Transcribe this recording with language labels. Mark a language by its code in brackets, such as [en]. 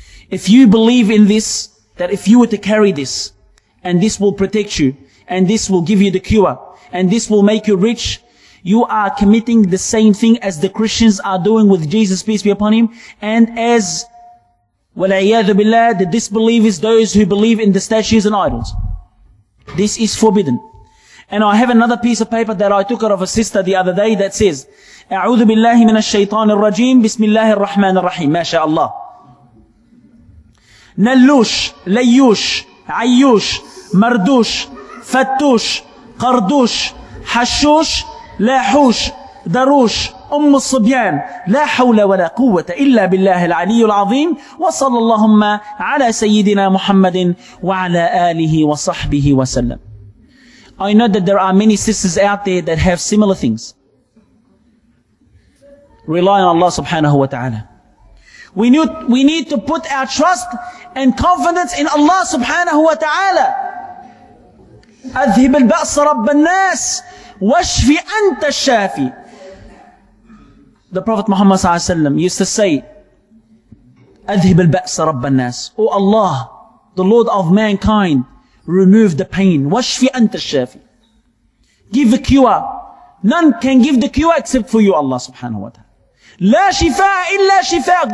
[en] If you believe in this, that if you were to carry this, and this will protect you, and this will give you the cure, and this will make you rich, you are committing the same thing as the Christians are doing with Jesus, peace be upon him, and as, [ar] وَلَعِيَاذُ بِاللَّهِ, [en] the disbelievers, those who believe in the statues and idols. This is forbidden. And I have another piece of paper that I took out of a sister the other day that says, [ar] أعوذ بالله من الشيطان الرجيم بسم الله الرحمن الرحيم ما شاء الله. نلوش ليوش عيوش مردوش فتوش قردوش حشوش لاحوش دروش أم الصبيان لا حول ولا قوة إلا بالله العلي العظيم وصلى اللهم على سيدنا محمد وعلى آله وصحبه وسلم. [en] I know that there are many sisters out there that have similar things. Rely on Allah subhanahu wa ta'ala. We need to put our trust and confidence in Allah subhanahu wa ta'ala. [ar] أذهب البأس رب الناس واشفي أنت الشافي. [en] The Prophet Muhammad sallallahu alaihi wasallam used to say, [ar] أَذْهِبَ الْبَأْسَ رَبَّ النَّاسِ. [en] O Allah, the Lord of mankind, remove the pain. [ar] وَشْفِ أَنْتَ الشَّافِ. [en] Give the cure. None can give the cure except for you, Allah subhanahu wa ta'ala. [ar] لا شفاء إلا شفاء.